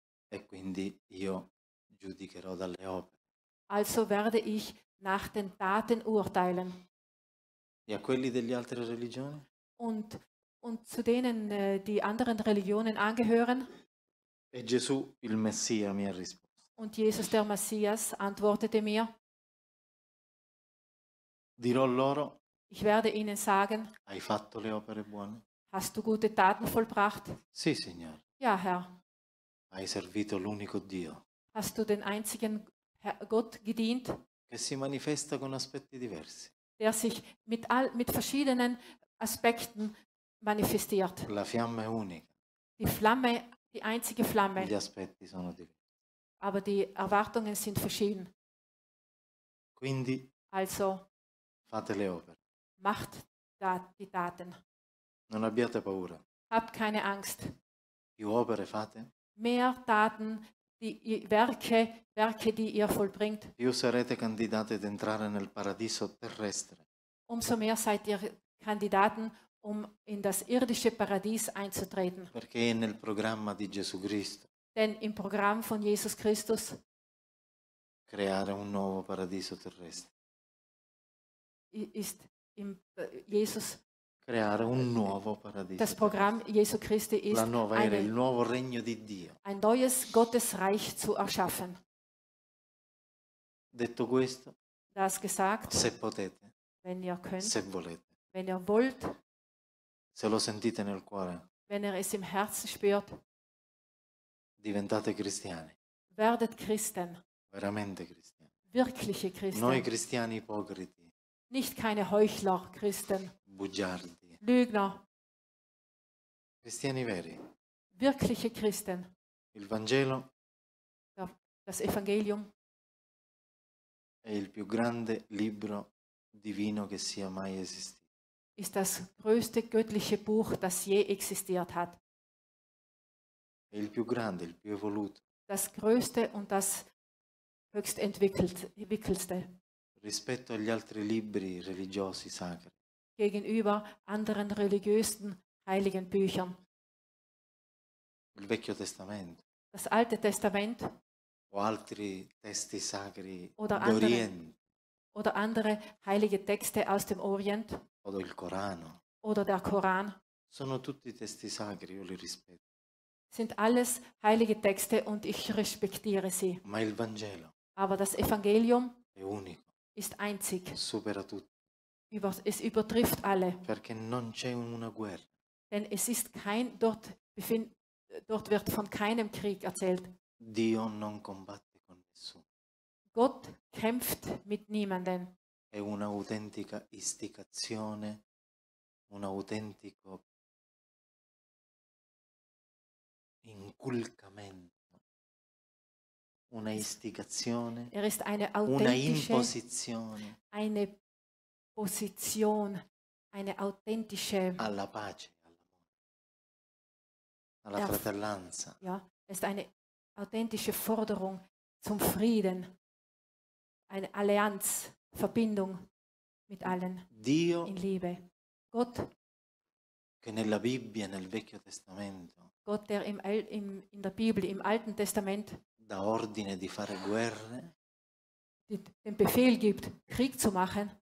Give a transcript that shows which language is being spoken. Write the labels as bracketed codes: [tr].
[it] E quindi io giudicherò dalle opere. [de] Also werde ich nach den Taten urteilen. [it] E a quelli degli altri religioni? [de] Und zu denen, die anderen Religionen angehören? [it] E Gesù, il Messia, mi ha risposto. [de] Und Jesus, der Messias, antwortete mir. [it] Dirò loro. [de] Ich werde ihnen sagen. [it] Hai fatto le opere buone? [de] Hast du gute Taten vollbracht? [it] Sì, Signore. [de] Ja, Herr. [it] Hai servito l'unico Dio. [de] Hast du den einzigen Gott gedient? [it] Che si manifesta con aspetti diversi. [de] Der sich mit verschiedenen Aspekten manifestiert. [it] La fiamma è unica. [de] Die Flamme, die einzige Flamme. [it] Gli aspetti sono diversi. [de] Aber die Erwartungen sind verschieden. [it] Quindi, [de] also, [it] fate le opere. [de] Macht da die Taten. [it] Non abbiate paura. [de] Habt keine Angst. [it] Più opere fate. [de] Mehr Taten, die Werke, die ihr vollbringt. [it] Più sarete candidate ad entrare nel paradiso terrestre. [de] Umso mehr seid ihr Kandidaten, um in das irdische Paradies einzutreten. [it] Perché è nel programma di Gesù Cristo. [de] Denn im Programm von Jesus Christus. [it] Creare un nuovo paradiso terrestre. [de] Ist im Jesus. [it] Creare un nuovo paradiso. [de] Das Programm Jesu Christi ist [it] la nuova era, il nuovo regno di Dio. [de] Ein neues Gottesreich zu erschaffen. [it] Detto questo, [de] das gesagt, [it] se potete, [de] wenn ihr könnt, [it] se volete, [de] wenn ihr wollt, [it] se lo sentite nel cuore, [de] wenn ihr es im Herzen spürt, [it] diventate cristiani. [de] Werdet Christen. [it] Veramente cristiani. [de] Wirkliche Christen. [it] Noi cristiani ipocriti. [de] Nicht keine Heuchler, Christen. [it] Bugiardi. [de] Lügner. [it] Cristiani veri. [de] Wirkliche Christen. [it] Il Vangelo. [de] Das Evangelium. [it] È il più grande libro divino che sia mai esistito. [de] Ist das größte göttliche Buch, das je existiert hat. [it] È il più grande, il più evoluto. [de] Das größte und das höchst entwickelste. [it] Rispetto agli altri libri religiosi sacri. [de] Gegenüber anderen religiösen heiligen Büchern. [it] Il Vecchio Testamento. [de] Das Alte Testament. [it] O altri testi sacri d'Oriente. [de] Oder andere heilige Texte aus dem Orient. [it] Oder il Corano. [de] Oder der Koran. [it] Sono tutti testi sacri, io li rispetto. [de] Sind alles heilige Texte und ich respektiere sie. [it] Ma il Vangelo. [de] Aber das Evangelium. [it] È unico. [de] Ist einzig. [it] Supera tutto. [de] Es übertrifft alle. [it] Perché non c'è una guerra. [de] Denn es ist kein dort wird von keinem Krieg erzählt. [it] Dio non combatte con nessuno. [de] Gott kämpft mit niemandem. [it] È una autentica istigazione, un autentico inculcamento. Una istigazione, [de] er ist eine eine autentische [it] alla pace, alla fratellanza. [de] Ja, ist eine authentische Forderung zum Frieden, eine Allianz, Verbindung mit allen. [it] Dio [de] in Liebe. Gott, [it] che nella Bibbia, nel Vecchio Testamento, [de] Gott, der in der Bibel, im Alten Testament, [it] da ordine di fare guerre, [de] den Befehl gibt, Krieg zu machen.